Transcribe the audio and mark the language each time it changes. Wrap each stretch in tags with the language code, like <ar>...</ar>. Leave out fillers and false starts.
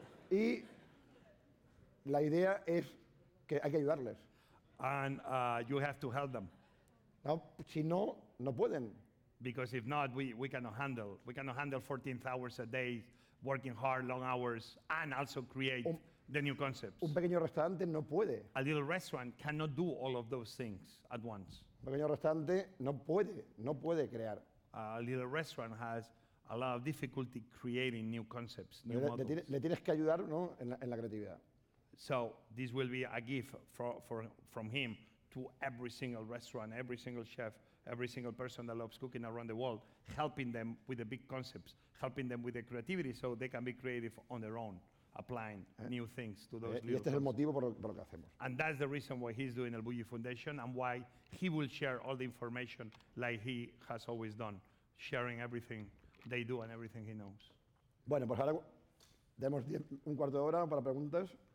<es>Y la idea es que hay que ayudarles.</es> <en>And you have to help them.</en> <es>No, si no, no pueden.</es> <en>Because if not, we cannot handle 14 hours a day, working hard, long hours, and also create the new concepts.</en> <es>Un pequeño restaurante no puede.</es> <en>A little restaurant cannot do all of those things at once.</en> <es>Un pequeño restaurante no puede crear.</es> <en>A little restaurant has a lot of difficulty creating new concepts, new models.</en> <es>Le tienes que ayudar, ¿no?, en la creatividad.</es> <en>So this will be a gift from him to every single restaurant, every single chef, every single person that loves cooking around the world, helping them with the big concepts, helping them with the creativity so they can be creative on their own, applying new things to those little</en> <es>things. Es el motivo por lo que hacemos.</es> <en>And that's the reason why he's doing the Bulli Foundation and why he will share all the information like he has always done, sharing everything they do and everything he knows.</en> <es>Bueno, pues ahora demos un cuarto de hora para preguntas.</es>